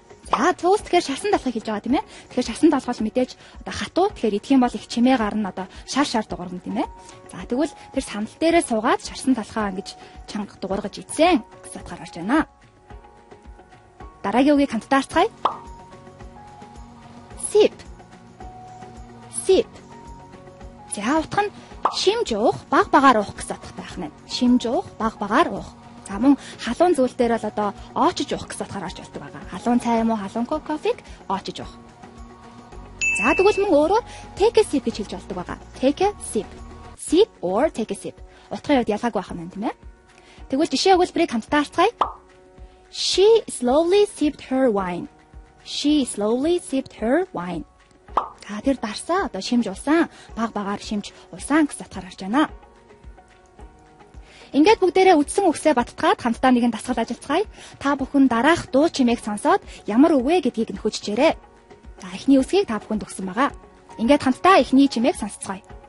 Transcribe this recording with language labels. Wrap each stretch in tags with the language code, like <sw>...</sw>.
<mn>За toast гэхэр шарсан талхыг хэлж байгаа тийм ээ. Тэгэхээр шарсан талх бол мэдээж одоо хатуу тэгэхээр идэх юм бол их чимээ гарна одоо шар шар дуурган тийм ээ. За тэгвэл тэр санал дээрээ суугаад шарсан талхаа ингэж чанга дуургаж идсэн. Сатгаар орж байна. Дараагийн үгийг хамтдаа хэлцгээе. Sip.</mn> <en>sit.</en> <mn>За утга нь шимж уух, баг багаар уух гэсэн утгатай байна. Шимж уух, баг багаар уух. За мөн халуун зүйл дээр бол одоо оочж уух гэсэн утгаар орж ирдэг байгаа. Халуун цай юм уу, халуун кофег оочж уух. За тэгвэл мөн өөрөөр</mn> <en>take a sip</en> <mn>гэж хэлж болдог байгаа.</mn> <en>Take a sip. Sip or take a sip.</en> <mn>Утгын хувьд ялгаагүй байна тийм ээ. Тэгвэл жишээ өгүүлбэрийг хамтдаа алцгаая.</mn> <en>She slowly sipped her wine. She slowly sipped her wine.</en> <mn>За тэр дарсаа одоо шимж усан, баг багаар шимж усан гэсэн утгаар орж байна. Ингээд бүгдээрээ үдсэн үгсээ баттгаад хамтдаа нэгэн дасгал ажилцгаая. Та бүхэн дараах дуу чимээг сонсоод ямар үг вэ гэдгийг нь хөччээрээ. За эхний үсгийг та бүхэн төгсөн байгаа. Ингээд хамтдаа эхний чимээг сонсцгаая.</mn>